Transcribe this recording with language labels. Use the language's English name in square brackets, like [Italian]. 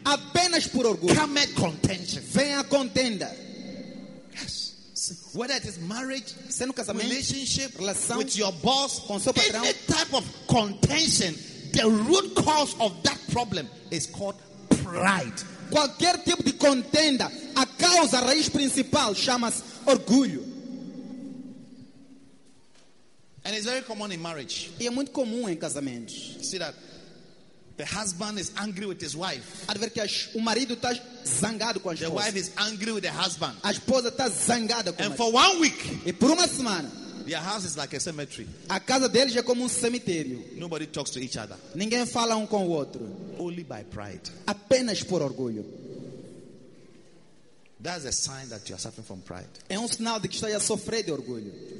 [Portuguese] Apenas por orgulho. [English] Come at contention. [Portuguese] Vem a contenda. [English] Yes. Whether it is marriage, [Portuguese] sendo casamento, [English] relationship, [Portuguese] relação, [English] with your boss, [Portuguese] com seu patrão, [English] any type of contention, the root cause of that problem is called pride. [Portuguese] Qualquer tipo de contenda, a causa, a raiz principal, chama-se orgulho. [English] And it's very common in marriage. [Portuguese] E é muito comum em casamentos. [English] See that the husband is angry with his wife. [Portuguese] Adver que o marido está zangado com a esposa. [English] The wife is angry with the husband. [Portuguese] A esposa está zangada com ele. [English] And for 1 week. [Portuguese] E por uma semana. [English] Their house is like a cemetery. [Portuguese] A casa deles é como cemitério. [English] Nobody talks to each other. [Portuguese] Ninguém fala com o outro. [English] Only by pride. [Portuguese] Apenas por orgulho. [English] That's a sign that you are suffering from pride. [Portuguese] É sinal de que está a sofrer de orgulho.